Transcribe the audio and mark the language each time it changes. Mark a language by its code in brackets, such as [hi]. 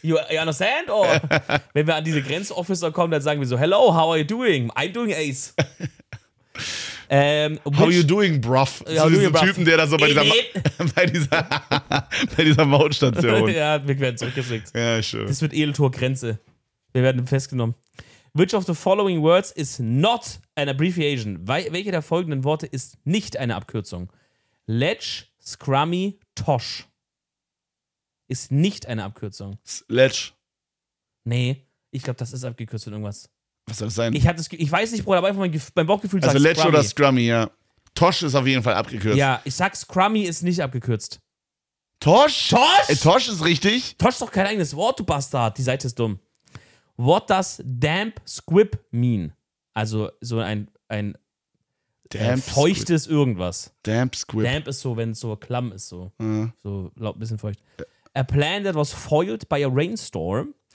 [en] You understand? Or [de] wenn wir an diese Grenzofficer kommen, dann sagen wir so, [en] hello, how are you doing? I'm doing Ace. how are you doing, bruv? [de] Ja, so diesen Typen, der da so bei dieser Mautstation. Ja, wir werden zurückgeschickt. Ja, schön. Das wird Edeltour Grenze. Wir werden festgenommen. [en] Which of the following words is not an abbreviation? [de] Welche der folgenden Worte ist nicht eine Abkürzung? Ledge, Scrummy, Tosh. Ist nicht eine Abkürzung. Ledge. Nee, ich glaube, das ist abgekürzt in irgendwas. Was soll das sein? Ich weiß nicht, Bruder, aber einfach mein Bauchgefühl sagt Scrummy. Also Ledge oder Scrummy, ja. Tosh ist auf jeden Fall abgekürzt. Ja, ich sag, Scrummy ist nicht abgekürzt. Tosh? Tosh? Tosh ist richtig. Tosh ist doch kein eigenes Wort, du Bastard. Die Seite ist dumm. [en] What does damp squib mean? [de] Also so ein damp feuchtes squib. Irgendwas. Damp squib. Damp ist so, wenn es so klamm ist, so. Ja. So ein bisschen feucht. Ja. [en] A plan that was foiled by a rainstorm.